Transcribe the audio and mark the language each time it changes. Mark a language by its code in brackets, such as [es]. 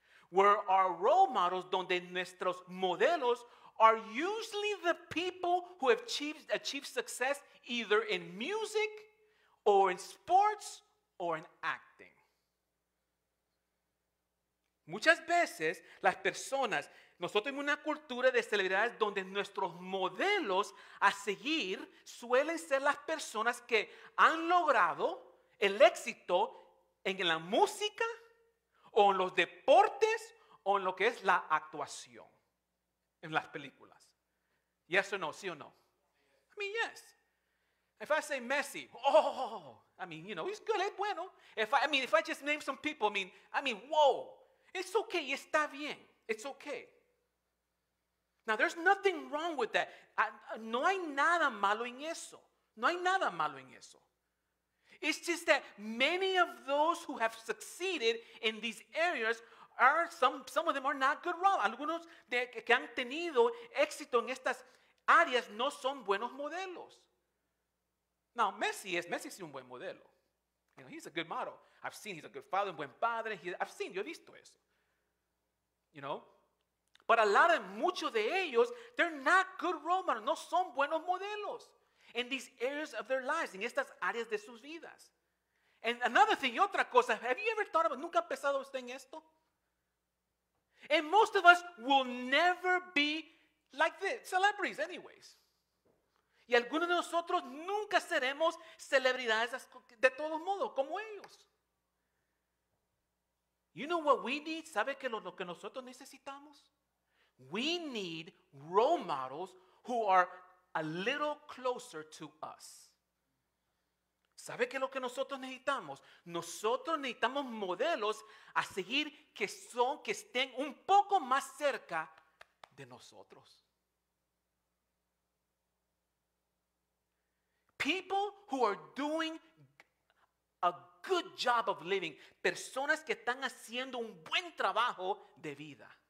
[en] Where our role models, [es] donde nuestros modelos, [en] are usually the people who have achieved success either in music or in sports or in acting. [es] Muchas veces las personas, nosotros vivimos en una cultura de celebridades donde nuestros modelos a seguir suelen ser las personas que han logrado el éxito en la música, o en los deportes, o en lo que es la actuación, en las películas. [en] Yes or no, [es] sí o no? [en] I mean, yes. If I say Messi, oh, I mean, you know, he's good, [es] es bueno. [en] If I just name some people, I mean, whoa, it's okay, [es] está bien, [en] it's okay. Now, there's nothing wrong with that. [es] No hay nada malo en eso. No hay nada malo en eso. [en] It's just that many of those who have succeeded in these areas are some of them are not good role. [es] Algunos de que han tenido éxito en estas áreas no son buenos modelos. [en] Now Messi [es] es un buen modelo. [en] You know, he's a good model. I've seen he's a good father, [es] un buen padre. Yo he visto eso. [en] You know, but a lot of [es] muchos de ellos, [en] they're not good role models. [es] No son buenos modelos. [en] In these areas of their lives, [es] en estas áreas de sus vidas. [en] And another thing, [es] y otra cosa, [en] have you ever thought about, [es] nunca ha pensado usted en esto? [en] And most of us will never be like this, celebrities anyways. [es] Y algunos de nosotros nunca seremos celebridades de todos modos, como ellos. [en] You know what we need? [es] ¿Sabe que lo que nosotros necesitamos? [en] We need role models who are a little closer to us. [es] ¿Sabe qué es lo que nosotros necesitamos? Nosotros necesitamos modelos a seguir que son, que estén un poco más cerca de nosotros. [en] People who are doing a good job of living. [es] Personas que están haciendo un buen trabajo de vida.